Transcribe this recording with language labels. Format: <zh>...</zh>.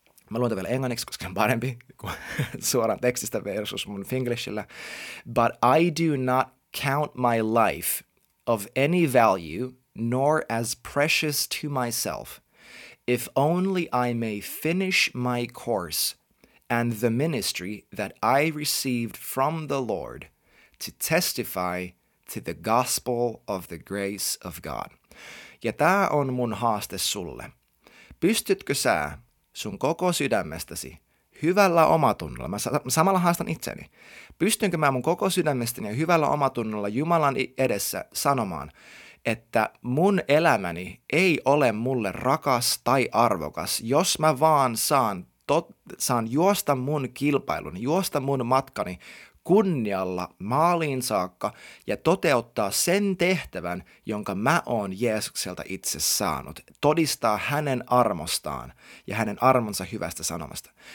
<fi>Mä luon vielä englanniksi, koska se on parempi kuin suoraan tekstistä versus mun finglishillä.</fi> <en>But I do not count my life of any value, nor as precious to myself, if only I may finish my course and the ministry that I received from the Lord to testify to the gospel of the grace of God.</en> <fi>Ja tää on mun haaste sulle. Pystytkö sä sun koko sydämestäsi, hyvällä omatunnolla, mä samalla haastan itseni, pystynkö mä mun koko sydämestäni ja hyvällä omatunnolla Jumalan edessä sanomaan, että mun elämäni ei ole mulle rakas tai arvokas, jos mä vaan saan juosta mun kilpailuni, juosta mun matkani kunnialla maaliin saakka ja toteuttaa sen tehtävän, jonka mä oon Jeesukselta itse saanut, todistaa hänen armostaan ja hänen armonsa hyvästä sanomasta.</fi>